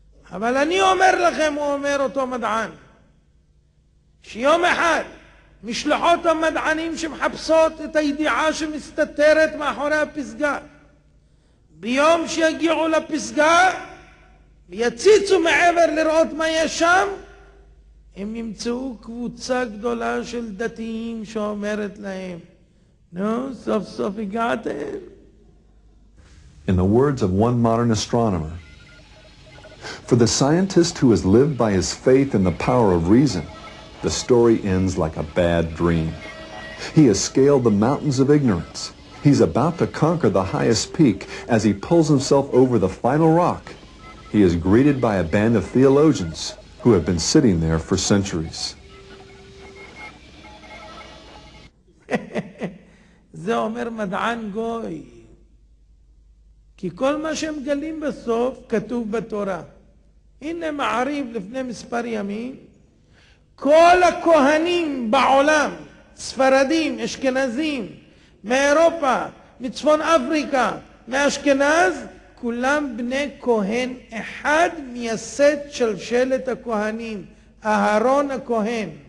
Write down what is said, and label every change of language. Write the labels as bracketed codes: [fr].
[he] אבל אני אומר לכם, הוא אומר אותו מדען, שיום אחד משלחות המדענים שמחפשות את הידיעה שמסתתרת מאחורי הפסגה, ביום שיגיעו לפסגה ויציצו מעבר לראות מה יש שם, הם ימצאו קבוצה גדולה של דתיים שאומרת להם, נו, סוף סוף הגעתם? [en] In the words of one modern astronomer, for the scientist who has lived by his faith in the power of reason, the story ends like a bad dream. He has scaled the mountains of ignorance. He's about to conquer the highest peak. As he pulls himself over the final rock, he is greeted by a band of theologians who have been sitting there for centuries. [he] זה אומר מדען גוי, כי כל מה שהם גלים בסוף כתוב בתורה. הנה מעריב לפני מספר ימים, כל הכהנים בעולם, ספרדים, אשכנזים, מאירופה, מצפון אפריקה, מאשכנז, כולם בני כהן אחד מייסד שלשלת הכהנים, אהרון הכהן.